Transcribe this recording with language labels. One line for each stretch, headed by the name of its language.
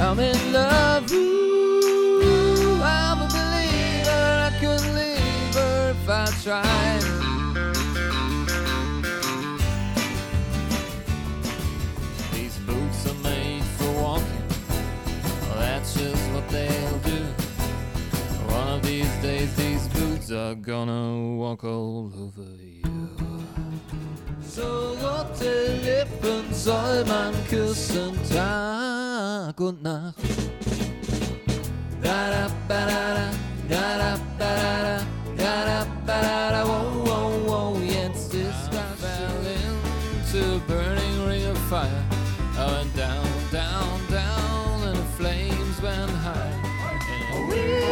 English: I'm in love, ooh. I'm a believer, I couldn't leave her if I tried. These boots are made for walking, well, that's just what they'll do. One of these days these boots are gonna walk all over you.
German: So rote Lippen soll man küssen Tag und Nacht. Da da ba da da, da da ba da da, da da ba da da. Whoa whoa whoa, jetzt ist das schön.
English: I fell into a burning ring of fire. I went down, down, down, and the flames went high.